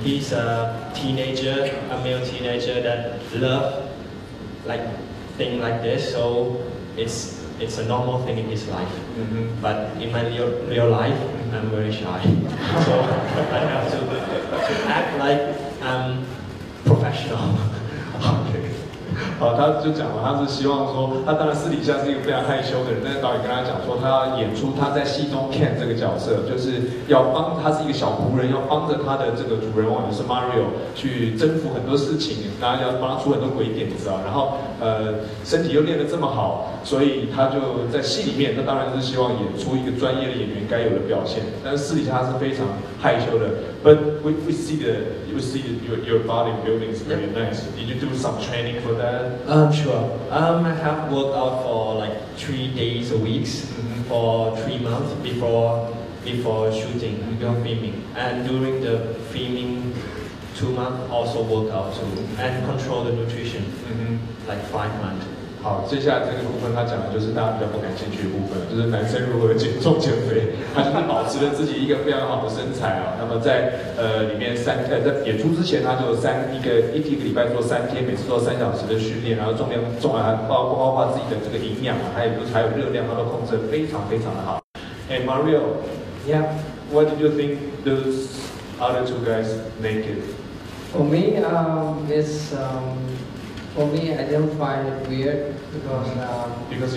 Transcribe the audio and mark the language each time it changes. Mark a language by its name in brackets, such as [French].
[English] He's a teenager, a male teenager that love like. Thing like this, so it's a normal thing in his life. Mm-hmm. But in my real life, I'm very shy, so I have to act like I'm professional. Okay. [Chinese] 好，他就讲了，他是希望说，他当然私底下是一个非常害羞的人，但是导演跟他讲说，他要演出他在戏中 Ken 这个角色，就是要帮他是一个小仆人，要帮着他的这个主人翁，就是 Mario 去征服很多事情，然后要帮他出很多鬼点子啊，然后身体又练得这么好，所以他就在戏里面，他当然是希望演出一个专业的演员该有的表现，但是私底下他是非常害羞的。 [English] But we see the your body building is very nice. Did you do some training for that? Sure. I have worked out for like 3 days a week for 3 months before shooting, before filming. And during the filming, 2 months also work out too. And control the nutrition, like 5 months. [Chinese] 好，接下来这个部分他讲的就是大家比较不感兴趣的部分，就是男生如何减重减肥，他就是保持了自己一个非常好的身材啊。那么在里面在演出之前，他就一个礼拜做三天，每次做三小时的训练，然后重量包括自己的这个营养啊，还有热量，他都控制得非常非常的好。 [English] Hey Mario, yeah, what did you think those other two guys naked? For me, For me, I don't find it weird because